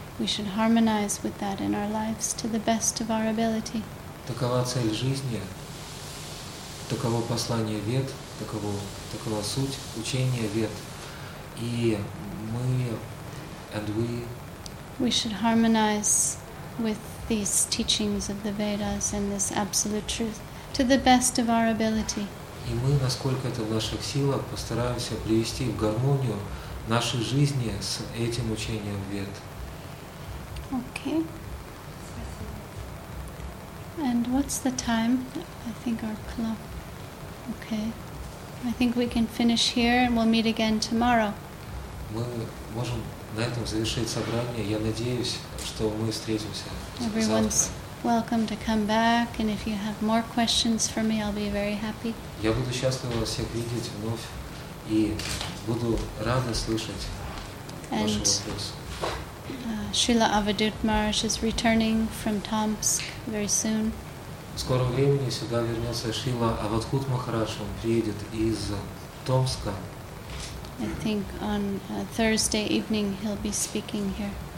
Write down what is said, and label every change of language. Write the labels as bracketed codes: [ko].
[en] We should harmonize with that in our lives to the best of our ability. [ru] Такова цель жизни, таково послание Вед, такова суть учения Вед. И мы, [en] and we... We should harmonize with these teachings of the Vedas and this absolute truth to the best of our ability. [ru] И мы, насколько это в наших силах, постараемся привести в гармонию нашей жизни с этим учением Вед. [en] Okay. And what's the time? I think our clock. Okay. I think we can finish here and we'll meet again tomorrow. [ru] Мы можем на этом завершить собрание. Я надеюсь, что мы встретимся [en] Everyone's [ru] завтра. [en] Welcome to come back, and if you have more questions for me, I'll be very happy. [ru] Я буду счастлива вас всех видеть вновь, и буду рада слышать ваши вопросы. [en] Srila Avadhut Maharaj is returning from Tomsk very soon. [ru] В скором времени сюда вернется Шрила Авадхут Махарадж. Он приедет из Томска. [en] I think on Thursday evening he'll be speaking here.